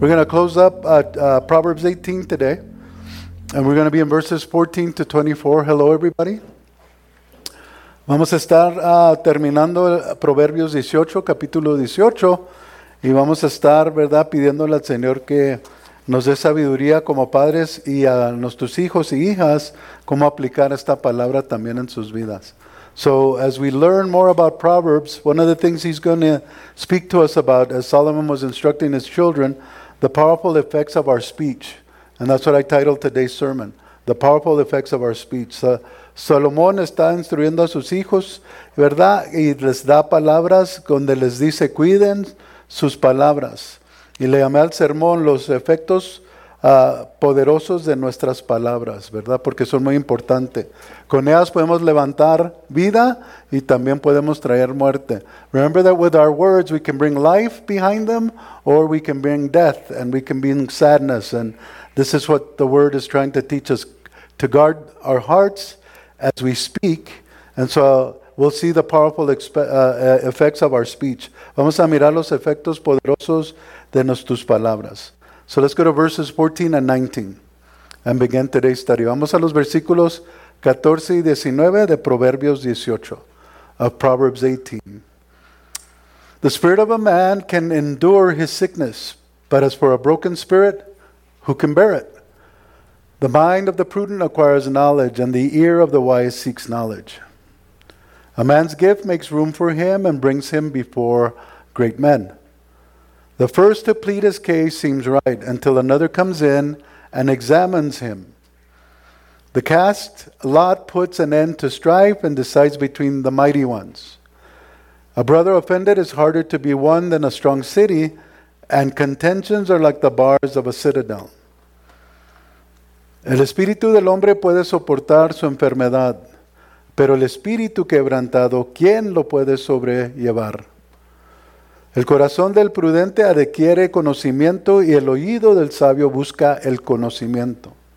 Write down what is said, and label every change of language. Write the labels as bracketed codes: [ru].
[en] We're going to close up at Proverbs 18 today, and we're going to be in verses 14 to 24. Hello, everybody. [es] Vamos a estar terminando Proverbios 18, capítulo 18, y vamos a estar, ¿verdad?, pidiéndole al Señor que nos dé sabiduría como padres y a nuestros hijos y hijas cómo aplicar esta palabra también en sus vidas. [en] So as we learn more about Proverbs, one of the things he's going to speak to us about, as Solomon was instructing his children, the powerful effects of our speech. And that's what I titled today's sermon, The Powerful Effects of Our Speech. [es] Salomón está instruyendo a sus hijos, ¿verdad? Y les da palabras donde les dice, cuiden sus palabras. Y le llamé al sermón los efectos poderosos de nuestras palabras, ¿verdad? Porque son muy importantes. Con ellas podemos levantar vida y también podemos traer muerte. [en] Remember that with our words we can bring life behind them or we can bring death and we can bring sadness. And this is what the word is trying to teach us, to guard our hearts as we speak. And so we'll see the powerful effects of our speech. [es] Vamos a mirar los efectos poderosos de nuestras palabras. [en] So let's go to verses 14 and 19 and begin today's study. [es] Vamos a los versículos 14 y 19 de Proverbios 18, [en] of Proverbs 18. The spirit of a man can endure his sickness, but as for a broken spirit, who can bear it? The mind of the prudent acquires knowledge, and the ear of the wise seeks knowledge. A man's gift makes room for him and brings him before great men. The first to plead his case seems right until another comes in and examines him. The cast lot puts an end to strife and decides between the mighty ones. A brother offended is harder to be won than a strong city, and contentions are like the bars of a citadel. [es] El espíritu del hombre puede soportar su enfermedad, pero el espíritu quebrantado, ¿quién lo puede sobrellevar? El corazón del prudente adquiere conocimiento y el oído del sabio busca el conocimiento.